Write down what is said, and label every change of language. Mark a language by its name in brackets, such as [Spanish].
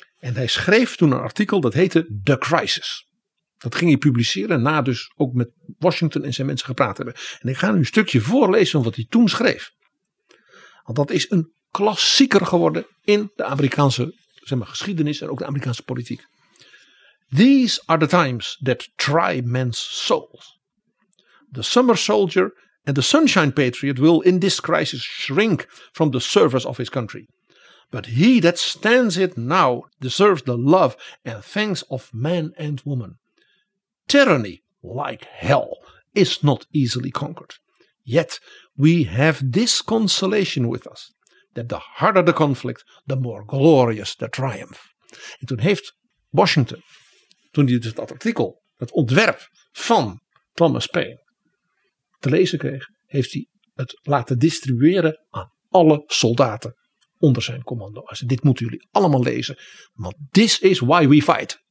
[Dutch] En hij schreef toen een artikel dat heette The Crisis. Dat ging hij publiceren na dus ook met Washington en zijn mensen gepraat hebben. En ik ga nu een stukje voorlezen van wat hij toen schreef. Want dat is een klassieker geworden in de Amerikaanse, zeg maar, geschiedenis en ook de Amerikaanse politiek. [English] These are the times that try men's souls. The summer soldier and the sunshine patriot will in this crisis shrink from the service of his country. But he that stands it now deserves the love and thanks of man and woman. Tyranny, like hell, is not easily conquered. Yet we have this consolation with us, that the harder the conflict, the more glorious the triumph. [Dutch] En toen heeft Washington, toen hij dus dat artikel, het ontwerp van Thomas Paine, te lezen kreeg, heeft hij het laten distribueren aan alle soldaten onder zijn commando. Hij zei, dit moeten jullie allemaal lezen, want [English] this is why we fight.